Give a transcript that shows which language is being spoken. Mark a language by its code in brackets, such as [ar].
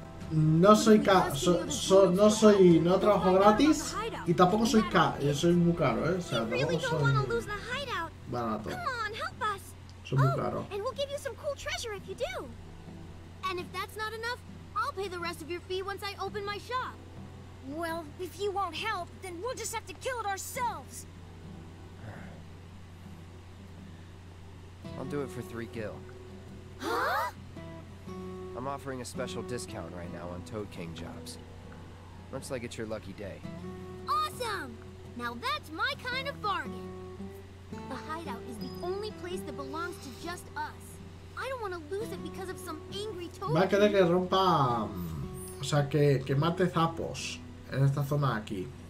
[es] No soy no trabajo gratis y tampoco soy caro. Soy muy caro, ¿eh? O sea, tampoco soy barato. Soy muy caro. [en] And we'll give you some cool treasure if you do. And if that's not enough, I'll pay the rest of your fee once I open my shop. Well, if you won't help, then we'll just have to kill it ourselves. I'll do it for 3 gil. Huh? I'm offering a special discount right now on Toad King jobs. Looks like it's your lucky day. Awesome! Now that's my kind of bargain. The hideout is the only place that belongs to just us. I don't want to lose it because of some angry toad. [es] Va a querer que rompa, o sea, que mate zapos en esta zona de aquí.